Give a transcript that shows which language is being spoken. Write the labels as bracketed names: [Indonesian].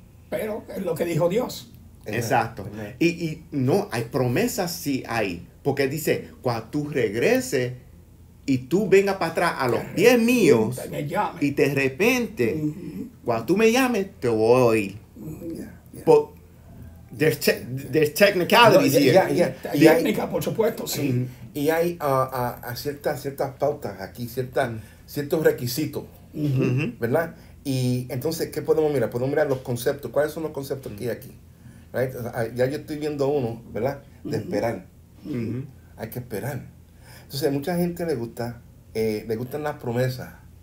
[Spanish] Pero es lo que dijo Dios. Exacto. Y no, hay promesas sí hay. Porque dice, cuando tú regreses y tú vengas para atrás a los pies míos y de repente, cuando tú me llames, te voy a oír. [English] But there's technicalities here. [Spanish] Técnica, por supuesto, sí. Y hay ciertas pautas aquí, ciertos requisitos, ¿verdad? Y entonces, ¿qué podemos mirar? Podemos mirar los conceptos. ¿Cuáles son los conceptos que hay aquí? Right? Ya yo estoy viendo uno, ¿verdad? De esperar. Hay que esperar. Entonces, mucha gente le gustan las promesas.